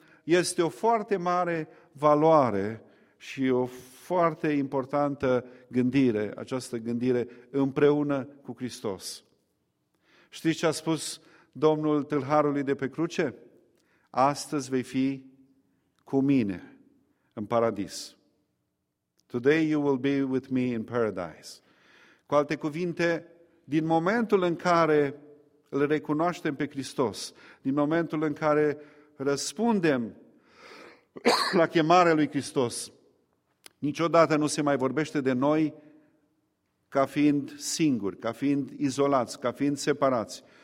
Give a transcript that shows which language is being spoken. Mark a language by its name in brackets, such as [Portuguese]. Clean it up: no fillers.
[Romanian] Este o foarte mare valoare și o foarte importantă gândire, această gândire împreună cu Hristos. Știți ce a spus Domnul tâlharului de pe cruce? Astăzi vei fi cu mine în paradis. [English] Today you will be with me in paradise. [Romanian] Cu alte cuvinte, din momentul în care îl recunoaștem pe Hristos, din momentul în care răspundem la chemarea lui Hristos, niciodată nu se mai vorbește de noi ca fiind singuri, ca fiind izolați, ca fiind separați.